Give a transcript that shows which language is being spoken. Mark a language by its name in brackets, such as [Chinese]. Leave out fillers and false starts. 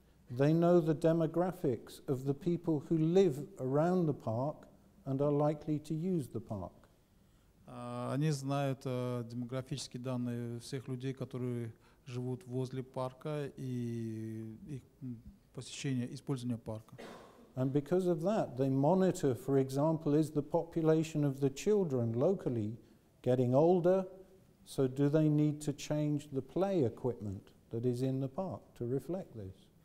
[English] They know the demographics of the people who live around the park and are likely to use the park. [Russian] Они знают демографические данные всех людей, которые живут возле парка и их посещение, использование парка. [English] And because of that, they monitor, for example, is the population of the children locally getting older, so do they need to change the play equipment that is in the park to reflect this?